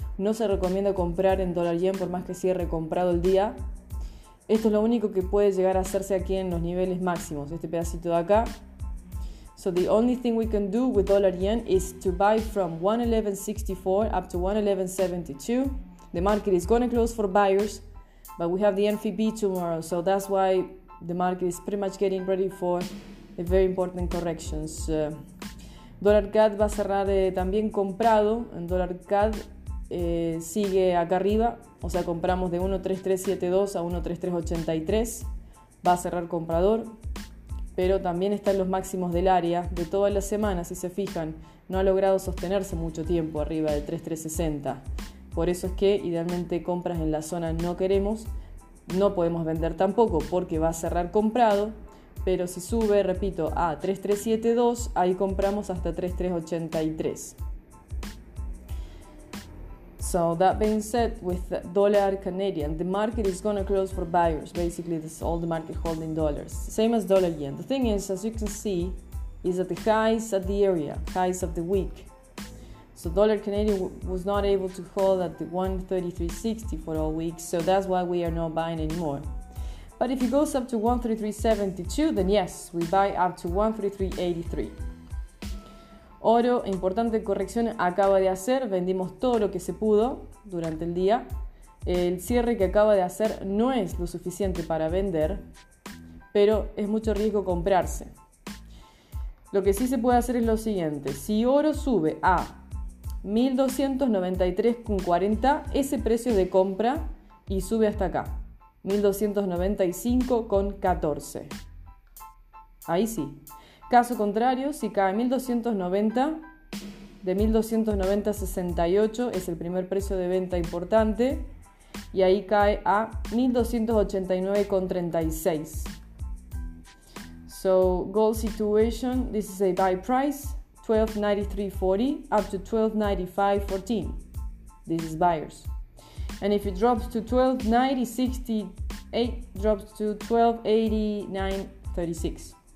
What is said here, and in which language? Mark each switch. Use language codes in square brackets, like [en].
[es] No se recomienda comprar en dólar yen por más que cierre comprado el día. Esto es lo único que puede llegar a hacerse aquí en los niveles máximos, este pedacito de acá. [en] So the only thing we can do with dollar yen is to buy from 111.64 up to 111.72. The market is going to close for buyers, but we have the NFP tomorrow, so that's why the market is pretty much getting ready for a very important corrections. [es] Dollar CAD va a cerrar también comprado. En Dollar CAD sigue acá arriba, o sea, compramos de 1.3372 a 1.3383. Va a cerrar comprador, pero también está en los máximos del área de todas las semanas. Si se fijan, no ha logrado sostenerse mucho tiempo arriba de 3.360. Por eso es que idealmente compras en la zona no queremos, no podemos vender tampoco porque va a cerrar comprado, pero si sube, repito, a 3372, ahí compramos hasta 3383. [en] So that being said, with the dollar Canadian, the market is going to close for buyers. Basically, this is all the market holding dollars. Same as dollar yen. The thing is, as you can see, is that the highs at the area, highs of the week. So dollar Canadian was not able to hold at the 133.60 for all week, so that's why we are not buying anymore. But if it goes up to 133.72, then yes, we buy up to 133.83. [es] Oro, importante corrección, acaba de hacer, vendimos todo lo que se pudo durante el día. El cierre que acaba de hacer no es lo suficiente para vender, pero es mucho riesgo comprarse. Lo que sí se puede hacer es lo siguiente: si oro sube a 1293.40, ese precio de compra, y sube hasta acá 1295.14. Ahí sí. Caso contrario, si cae 1290, de 1290.68 es el primer precio de venta importante, y ahí cae a 1289.36. [en] So, gold situation, this is a buy price 1293.40 up to 1295.14. This is buyers. And if it drops to 1290.68, drops to 1289.36.